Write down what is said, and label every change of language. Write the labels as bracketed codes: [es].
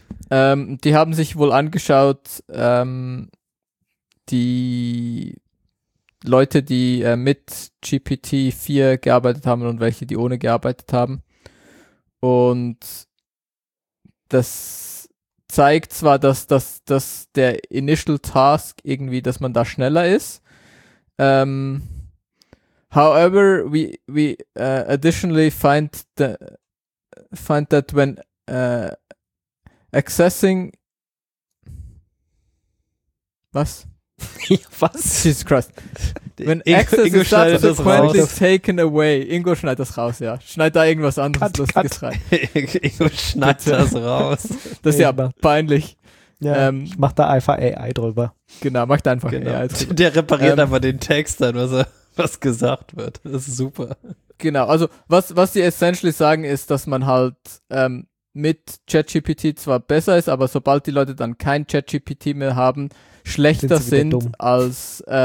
[de] Die haben sich wohl angeschaut, die Leute, die mit GPT-4 gearbeitet haben und welche, die ohne gearbeitet haben. Und das zeigt zwar, dass der Initial Task irgendwie, dass man da schneller ist. [en] However, we additionally find that when accessing, was? [de] Was? [en] Jesus Christ. When access is subsequently taken away. [de] Ingo schneid das raus, ja. Schneid da irgendwas anderes lustiges rein. Ingo schneid das raus. Das ist ja aber peinlich. Ja, ich mach da einfach AI drüber. Genau, mach da einfach AI drüber. Der repariert einfach den Text dann, was gesagt wird. Das ist super. Genau, also was die essentially sagen ist, dass man halt mit ChatGPT zwar besser ist, aber sobald die Leute dann kein ChatGPT mehr haben, schlechter sind als